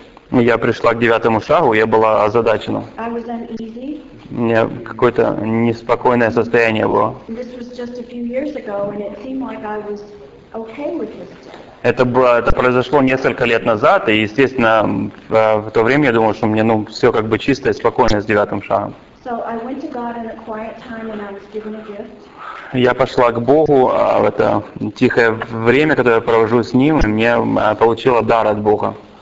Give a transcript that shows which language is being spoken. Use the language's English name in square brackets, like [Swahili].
[Russian] Я пришла к 9-му шагу, я была озадачена. [English] I was uneasy. [Russian] У меня какое-то неспокойное состояние было. [English] This was just a few years ago, and it seemed like I was okay with this. [Russian] Это произошло несколько лет назад, и, естественно, в то время я думал, что мне, ну, все как бы чисто и спокойно с 9-м шагом. [English] So I went to God in a quiet time, and I was given a gift. [Russian] Я пошла к Богу в это тихое время, которое я провожу с Ним, и мне получила дар от Бога.